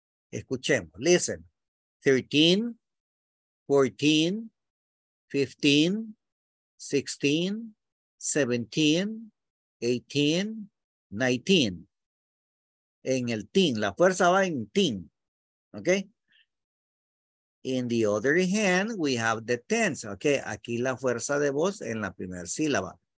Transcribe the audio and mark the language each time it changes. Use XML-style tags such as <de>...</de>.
<es>Escuchemos.</es> <en>Listen. 13, 14, 15, 16, 17, 18, 19.</en> <es>En el teen, la fuerza va en teen. Okay.</es> <en>In the other hand, we have the tense.</en> <es>Okay, aquí la fuerza de voz en la primera sílaba.</es>